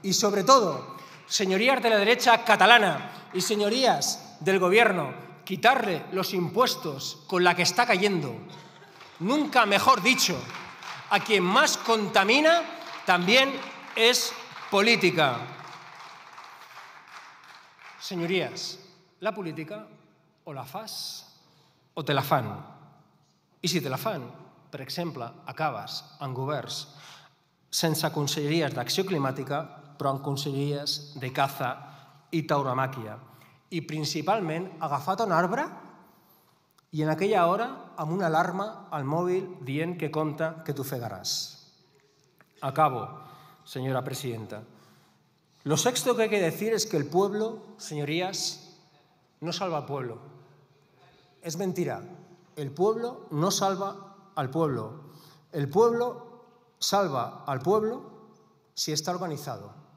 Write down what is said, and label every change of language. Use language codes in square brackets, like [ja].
[es] Y sobre todo, señorías de la derecha catalana y señorías del gobierno, quitarle los impuestos con la que está cayendo. Nunca mejor dicho, a quien más contamina también es política. Señorías, la política o [ca] la fas o te la fan. I si te la fan, per exemple, acabes en governs sense conselleries d'acció climàtica, però en conselleries de caza i tauromàquia. I principalment agafat un arbre i en aquella hora amb una alarma al mòbil dient que compta que t'ofegaràs. Acabo, senyora presidenta. [es] Lo sexto que hay que decir es que el pueblo, señorías, no salva al pueblo. Es mentira. El pueblo no salva al pueblo. El pueblo salva al pueblo si está organizado.